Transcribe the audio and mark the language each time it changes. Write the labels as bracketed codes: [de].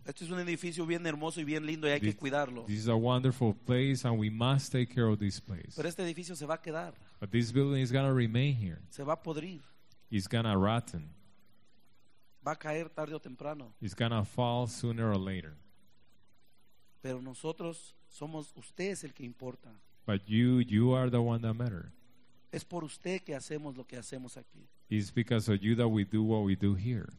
[es] Este es un edificio bien hermoso y bien lindo y hay que cuidarlo. [en] This is a wonderful place and we must take care of this place. [es] Pero este edificio se va a quedar. [en] But this building is going to remain here. [es] Se va a podrir. [en] It's going to rotten. [es] Va a caer tarde o temprano. [en] It's going to fall sooner or later. [es] Pero nosotros somos ustedes el que importa. [en] But you are the one that matter. [es] Es por usted que hacemos lo que hacemos aquí. [en] It's because of you that we do what we do here.